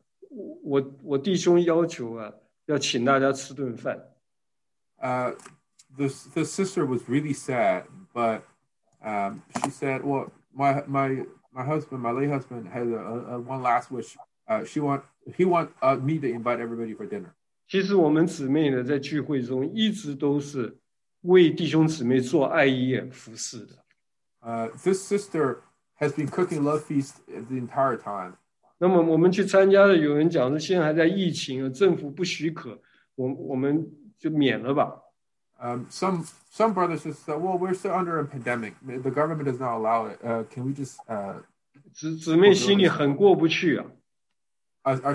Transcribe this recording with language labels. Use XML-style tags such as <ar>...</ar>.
<zh>我们姊妹呢，她很难过，但是她一直讲说，一开头就讲，等一下整个结束了，我弟兄要求啊。要请大家吃顿饭。</zh> <en>The sister was really sad, but she said, "Well, my late husband has a one last wish. He wants me to invite everybody for dinner."</en> <zh>其实我们姊妹呢，在聚会中一直都是为弟兄姊妹做爱宴服侍的。</zh> <en>This sister has been cooking love feasts the entire time.</en> <zh>那么我们去参加的，有人讲是现在还在疫情，政府不许可。我们就免了吧。</zh> <en>Some brothers just said, "Well, we're still under a pandemic. The government does not allow it. Can we just?"</en> <zh>姊妹心里很过不去啊。</zh> <en>Our</en>